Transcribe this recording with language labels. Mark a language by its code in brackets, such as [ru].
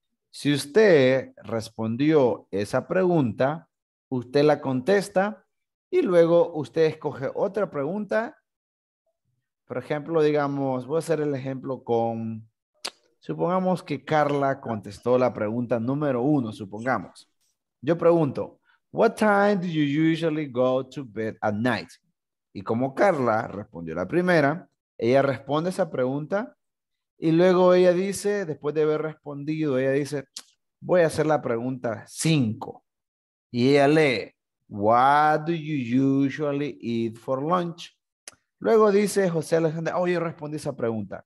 [es] Si usted respondió esa pregunta, usted la contesta y luego usted escoge otra pregunta. Por ejemplo, digamos, voy a hacer el ejemplo con, supongamos que Carla contestó la pregunta número uno, supongamos. Yo pregunto, [en] what time do you usually go to bed at night? [es] Y como Carla respondió la primera, ella responde esa pregunta. Y luego ella dice, después de haber respondido, ella dice, voy a hacer la pregunta 5. Y ella lee, [en] what do you usually eat for lunch? [es] Luego dice José Alejandro, oh, yo respondí esa pregunta.